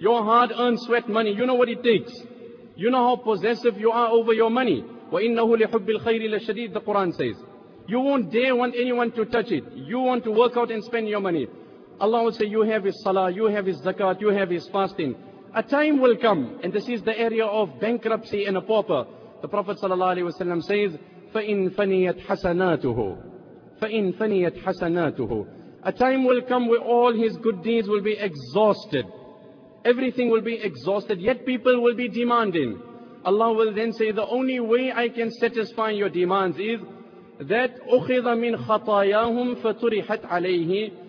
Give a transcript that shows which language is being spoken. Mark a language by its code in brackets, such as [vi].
[en] Your hard-earned sweat money, you know what it takes. You know how possessive you are over your money. [ar] وَإِنَّهُ لِحُبِّ الْخَيْرِ لَشَدِيدٍ. [en] The Quran says, you won't dare want anyone to touch it. You want to work out and spend your money. Allah will say, you have his salah, you have his zakat, you have his fasting. A time will come, and this is the area of bankruptcy and a pauper. The Prophet ﷺ says, [ar] فَإِنْ فَنِيَتْ حَسَنَاتُهُ فَإِنْ فَنِيَتْ حَسَنَاتُهُ. [en] A time will come where all his good deeds will be exhausted. Everything will be exhausted, yet people will be demanding. Allah will then say, the only way I can satisfy your demands is, that [ar] أُخِذَ مِنْ خَطَايَاهُمْ فَتُرِحَتْ عَلَيْهِ.